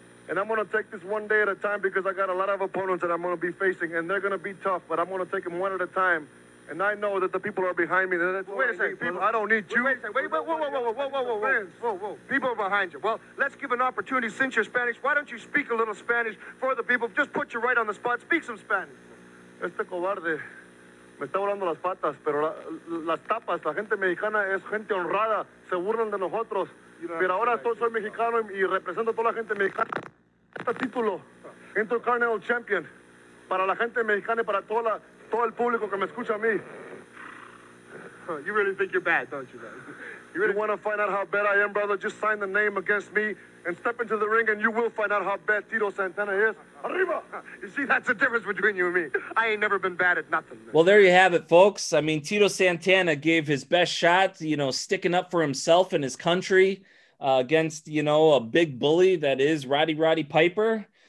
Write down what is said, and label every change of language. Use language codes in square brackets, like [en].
[en] And I'm going to take this one day at a time because I got a lot of opponents that I'm going to be facing, and they're going to be tough, but I'm going to take them one at a time. And I know that the people are behind me. Wait a second, people. I don't need you. Wait a second. People are behind you. Well, let's give an opportunity. Since you're Spanish, why don't you speak a little Spanish for the people? Just put you right on the spot. Speak some Spanish. [es] Este cobarde. Me está volando las patas, pero las tapas, la gente mexicana es gente honrada, se burlan de nosotros. Pero ahora soy mexicano y represento a toda la gente mexicana. Este título, Intercontinental Champion, para la gente mexicana y para todo el público que me escucha a mí. [en] You really think you're bad, don't you, man? You really want to find out how bad I am, brother? Just sign the name against me and step into the ring and you will find out how bad Tito Santana is. [es] Arriba! [en] You see, that's the difference between you and me. I ain't never been bad at nothing. Well, there you have it, folks. I mean, Tito Santana gave his best shot, you know, sticking up for himself and his country against, you know, a big bully that is Roddy Piper.